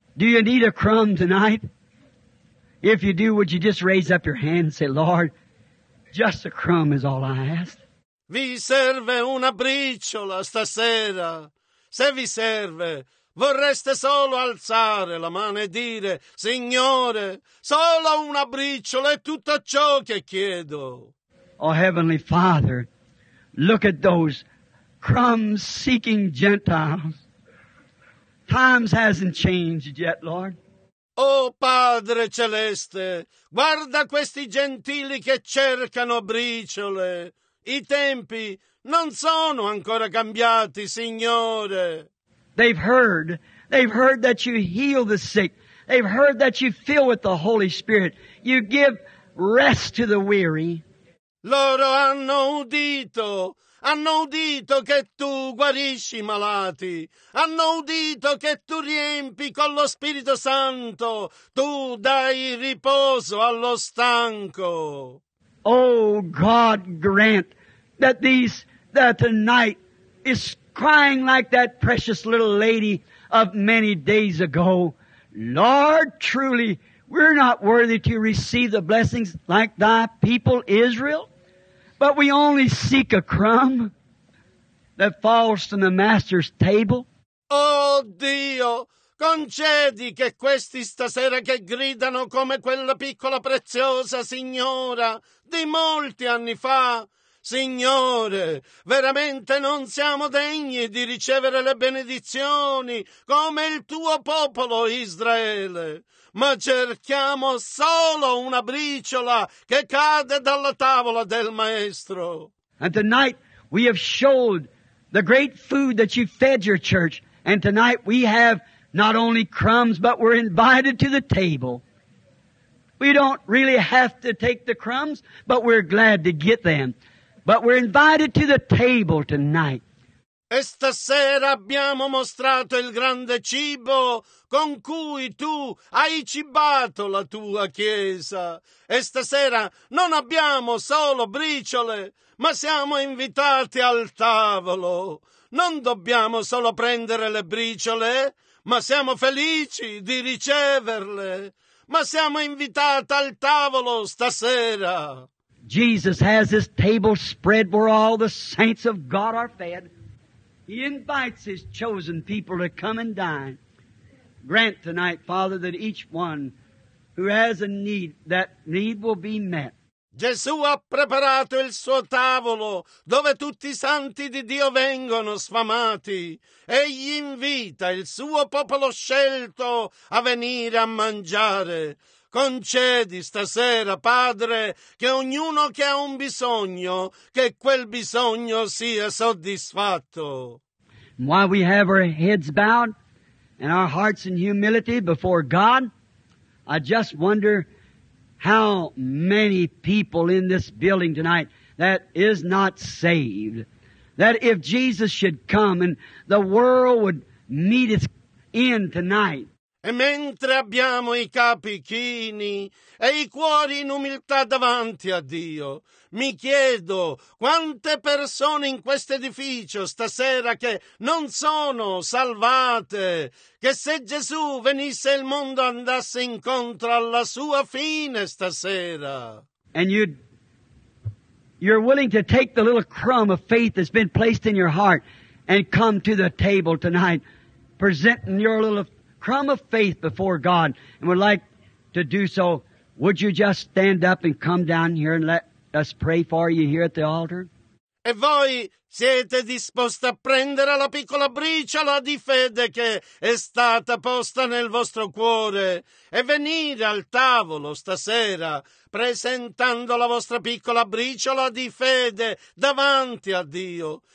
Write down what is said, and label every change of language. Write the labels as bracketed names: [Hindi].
[English] Do you need a crumb tonight? If you do, would you just raise up your hand and say, Lord, just a crumb is all I ask. [Italian] Vi serve una briciola stasera. Se vi serve, vorreste solo alzare la mano e dire, Signore, solo una briciola è tutto ciò che chiedo. [English] Oh, Heavenly Father, look at those crumb-seeking Gentiles. Times hasn't changed yet, Lord. [Italian] Oh, Padre Celeste, guarda questi gentili che cercano briciole. I tempi non sono ancora cambiati, Signore. [English] They've heard that you heal the sick. They've heard that you fill with the Holy Spirit. You give rest to the weary. [Italian] Loro hanno udito che tu guarisci i malati. Hanno udito che tu riempi con lo Spirito Santo. Tu dai riposo allo stanco. [English] Oh, God, grant that tonight is crying like that precious little lady of many days ago. Lord, truly, we're not worthy to receive the blessings like thy people Israel. But we only seek a crumb that falls from the master's table. [Italian] Oh, Dio, concedi che questi stasera che gridano come quella piccola preziosa signora di molti anni fa. Signore, veramente non siamo degni di ricevere le benedizioni come il tuo popolo Israele, ma cerchiamo solo una briciola che cade dalla tavola del Maestro. [English] And tonight we have showed the great food that you fed your church, and tonight we have not only crumbs, but we're invited to the table. We don't really have to take the crumbs, but we're glad to get them. But we're invited to the table tonight. [Italian] E stasera abbiamo mostrato il grande cibo con cui tu hai cibato la tua chiesa. E stasera non abbiamo solo briciole, ma siamo invitati al tavolo. Non dobbiamo solo prendere le briciole, ma siamo felici di riceverle. Ma siamo invitati al tavolo stasera. [English] Jesus has his table spread where all the saints of God are fed. He invites his chosen people to come and dine. Grant tonight, Father, that each one who has a need, that need will be met. [Italian] Gesù ha preparato il suo tavolo dove tutti i santi di Dio vengono sfamati. Egli invita il suo popolo scelto a venire a mangiare. Concedi stasera, Padre, che ognuno che ha un bisogno, che quel bisogno sia soddisfatto. [English] While we have our heads bowed and our hearts in humility before God, I just wonder how many people in this building tonight that is not saved, that if Jesus should come and the world would meet its end tonight. [Italian] E mentre abbiamo i capi chini e i cuori in umiltà davanti a Dio, mi chiedo quante persone in questo edificio stasera che non sono salvate, che se Gesù venisse il mondo andasse incontro alla sua fine stasera. [English] And you're willing to take the little crumb of faith that's been placed in your heart and come to the table tonight, presenting your little crumb of faith before God, and would like to do so, would you just stand up and come down here and let us pray for you here at the altar? [Italian] E voi siete disposti a prendere la piccola briciola di fede che è stata posta nel vostro cuore e venire al tavolo stasera presentando la vostra piccola briciola di fede davanti a Dio?